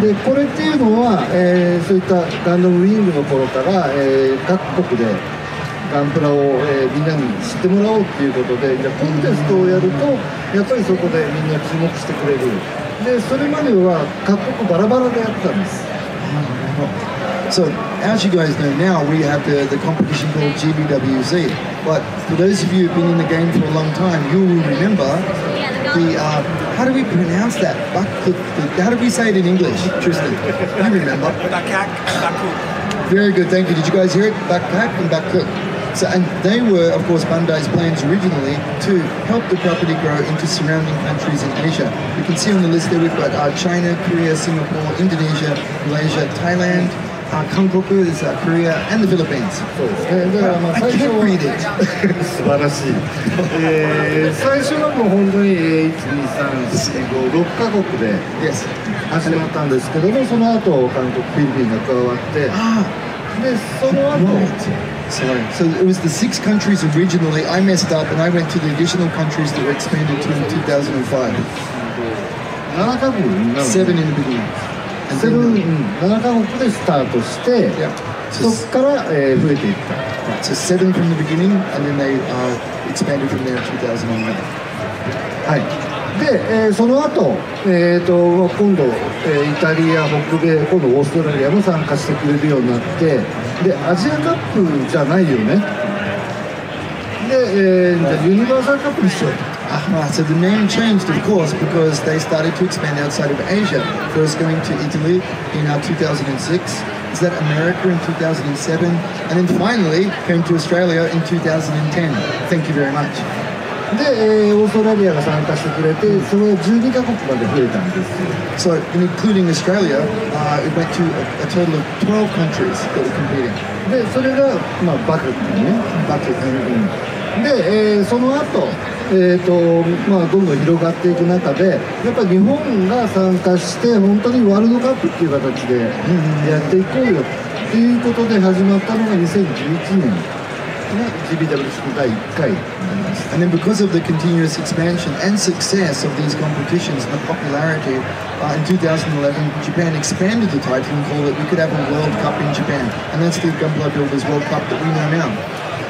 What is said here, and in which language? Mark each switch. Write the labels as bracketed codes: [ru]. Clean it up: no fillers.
[ja] でこれっていうのは、そういったガンダムウィングの頃から、各国でガンプラを、みんなに知ってもらおうっていうことで、じゃコンテストをやるとやっぱりそこでみんな注目してくれる。でそれまでは各国バラバラでやったんです。 [en] So, as you guys know now, we have the competition called GBWZ. But for those of you who've been in the game for a long time, you will remember the, how do we pronounce that? How do we say it in English, Tristan? You remember. Backpack and backcook. Very good, thank you. Did you guys hear it? Backpack and backcook. So, and they were, of course, Bandai's plans originally to help the property grow into surrounding countries in Asia. You can see on the list there we've got China, Korea, Singapore, Indonesia, Malaysia, Thailand, Kankoku, is Korea, and the Philippines. I can't read it. [ja] 素晴らしい。最初のも本当に 1,2,3,4,5,6 カ国で始まったんですけども、その後韓国、フィリピンが加わって、でその後。 [en] Sorry. So it was the six countries originally. I messed up and I went to the additional countries that were expanded to in 2005. Seven in the beginning. And then, so seven from the beginning and then they expanded from there in 2009. Hi. [ja] で、その後、今度、イタリア、北米、今度オーストラリアも参加してくれるようになって、で、アジアカップじゃないよね。で、じゃあユニバーサルカップにしようと。 [en] So the name changed, of course, because they started to expand outside of Asia. First going to Italy in 2006, then America in 2007, and then finally came to Australia in 2010. Thank you very much. [ja] で、オーストラリアが参加してくれて、それを12カ国まで増えたんですよ。 [en] So, including Australia, it went to a total of 12 countries that were competing. [ja] で、それが、まあ、バクっていうね。バク、うんうん。で、その後、まあ、どんどん広がっていく中で、やっぱり日本が参加して、本当にワールドカップっていう形でやっていこうよっていうことで始まったのが2011年。 [en] And then because of the continuous expansion and success of these competitions and the popularity, in 2011 Japan expanded the title and called it, we could have a World Cup in Japan. And that's the Gunpla Builders World Cup that we know now.